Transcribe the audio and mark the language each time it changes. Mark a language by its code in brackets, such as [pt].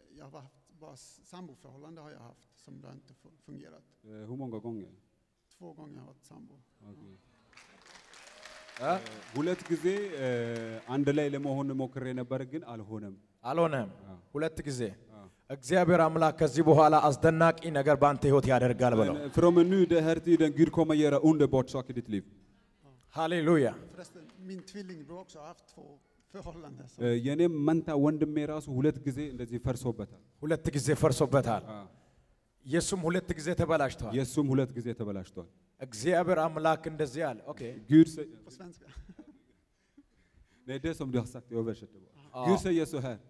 [sv] Jag har haft samboförhållande har jag haft som det inte fungerat. Hur många gånger? Två gånger har jag varit sambo. Okej. [am] Ja, ሁለት ጊዜ አንደላይ ለመሆን ሞክሬ ነበር ግን አልሆነም. ሁለት ጊዜ እግዚአብሔር አምላክ ከዚህ በኋላ አስደናቂ ነገር ባንተ ህይወት ያደርጋል ብሎ. [sv] From nu det här tiden Gud kommer göra underbart saker i ditt liv. Halleluja. Min tvillingbror också har haft två ፈሆላንደ [am] ሰው የኔ መንታ ወንድሜ ራሱ ሁለት ጊዜ እንደዚህ ፈርሶበታል. ሁለት ጊዜ ፈርሶበታል. ኢየሱስም ሁለት ጊዜ ተበላሽቷል. ኢየሱስም ሁለት ጊዜ ተበላሽቷል. እግዚአብሔር አምላክ እንደዚህ አለ. ኦኬ. ጉድ ሰይ ነደ ሰም ዲያሳክ ዮቨሽት ጉድ ሰይ ኢየሱስ ሄር